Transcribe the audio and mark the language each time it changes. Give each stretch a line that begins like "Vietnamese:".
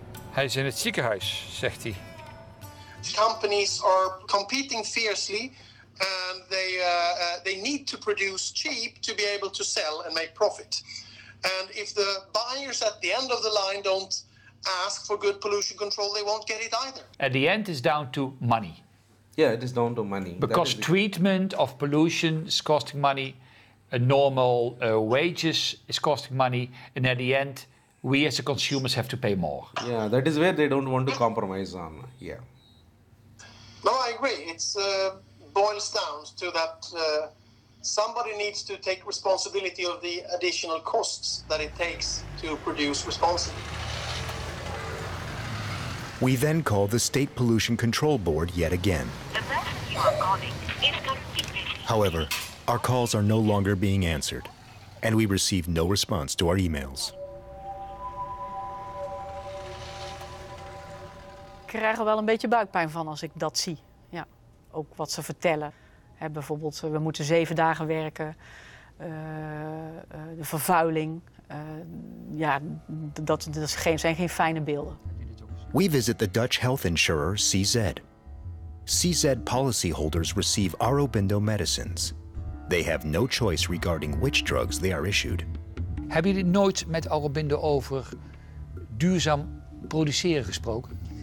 Dutch: Hij is in het ziekenhuis, zegt hij.
English: Companies are competing fiercely. And they need to produce cheap to be able to sell and make profit. And if the buyers at the end of the line don't ask for good pollution control, they won't get it either. At the end, it's down to money. Yeah, it is down to money. Because treatment of pollution is costing money. A normal wages is costing money. And at the end, we as the consumers have to pay more. Yeah, that is where they don't want to compromise on. Yeah. No, I agree. It's... boils down to that somebody needs to take responsibility of the additional costs that it takes to produce responsibly. We then call the State Pollution Control Board yet again. The person you are calling is currently busy. However, our calls are no longer being answered, and we receive no response to our emails.
Dutch: Ik krijg er wel een beetje buikpijn van als ik dat zie. Ook wat ze vertellen. He, bijvoorbeeld, we moeten 7 dagen werken. De vervuiling. Dat zijn geen fijne beelden.
English: We visit the Dutch health insurer CZ. CZ policyholders receive Aurobindo medicines. They have no choice regarding which drugs they are issued.
Dutch: Hebben jullie nooit met Aurobindo over duurzaam produceren gesproken?